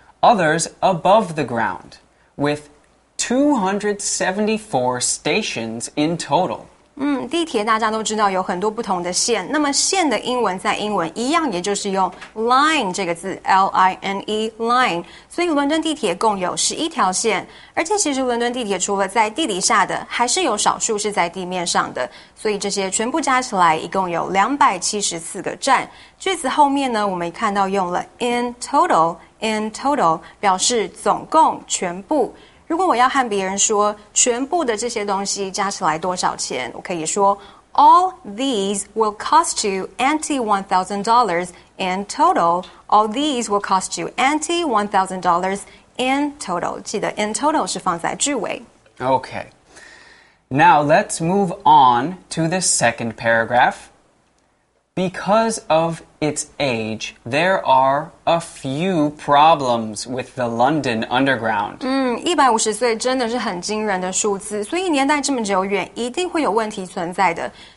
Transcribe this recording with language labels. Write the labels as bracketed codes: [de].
[en] Others above the ground, with 274 stations in total. [zh] 地铁大家都知道有很多不同的线。那么线的英文在英文一样，也就是用 line 这个字 ，L-I-N-E line。所以伦敦地铁共有11条线，而且其实伦敦地铁除了在地底下的，还是有少数是在地面上的。所以这些全部加起来，一共有274个站。句子后面呢，我们看到用了 in total 表示总共全部。如果我要和别人说全部的这些东西加起来多少钱，我可以说 [en] All these will cost you ante $1,000 in total. All these will cost you ante $1,000 in total. [zh] 记得 in total 是放在句尾。 [en] Okay. Now let's move on to the second paragraph. Because of its age, there are a few problems with the London Underground. [zh] 150岁真的是很惊人的数字，所以年代这么久远，一定会有问题存在的。